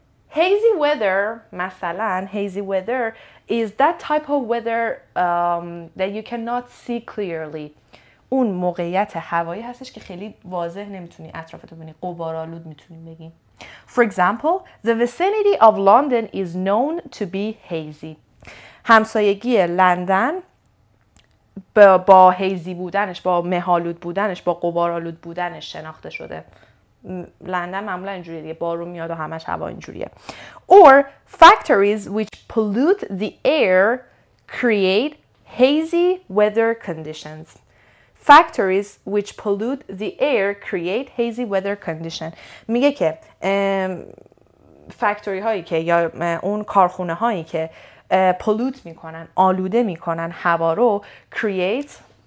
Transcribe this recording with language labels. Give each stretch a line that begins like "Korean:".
English: Hazy weather مثلا hazy weather is that type of weather that you cannot see clearly.
Persian: اون موقعیت هوایی هستش که خیلی واضح نمیتونی اطرافت ببینی، غبارآلود میتونیم بگیم.
English: For example, the vicinity of London is known to be hazy.
Persian: همسایگی لندن با هیزی بودنش، با مهالود بودنش، با غبارآلود بودنش شناخته شده. لندن معمولا اینجوریه دیگه، بارون میاد و همش هوا اینجوریه.
English: Or factories which pollute the air create hazy weather conditions. Factories which pollute the air create hazy weather condition.
Persian: میگه که فکتوری هایی که یا اون کارخونه هایی که پلوت میکنن، آلوده میکنن هوا رو، create